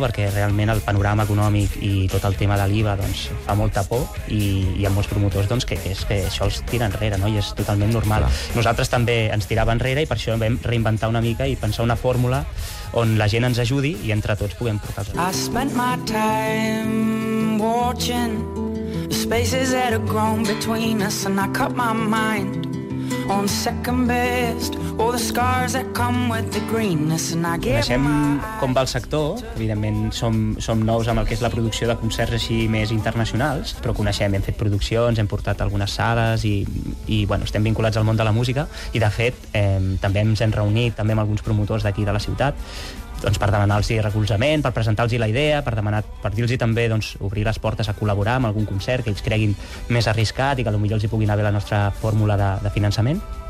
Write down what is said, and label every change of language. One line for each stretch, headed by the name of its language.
Catalan: Perquè realment el panorama econòmic i tot el tema de l'IVA doncs, fa molta por, i hi ha molts promotors doncs, que això els tira enrere, no? I és totalment normal. Clar. Nosaltres també ens tirava enrere, i per això vam reinventar una mica i pensar una fórmula on la gent ens ajudi i entre tots puguem portar-los.
English: I spent my time watching the spaces that have grown between us, and I cut my mind on second best, all the scars that come with the greenness, and I give my...
Catalan: Coneixem com va el sector, evidentment som nous amb el que és la producció de concerts així més internacionals, però coneixem, hem fet produccions, hem portat algunes sales i bueno, estem vinculats al món de la música, i de fet també ens hem reunit també amb alguns promotors d'aquí de la ciutat, doncs per demanar-los recolzament, per presentar-los la idea, per dir-los també doncs, obrir les portes a col·laborar amb algun concert que ells creguin més arriscat i que potser els hi puguin haver la nostra fórmula de finançament.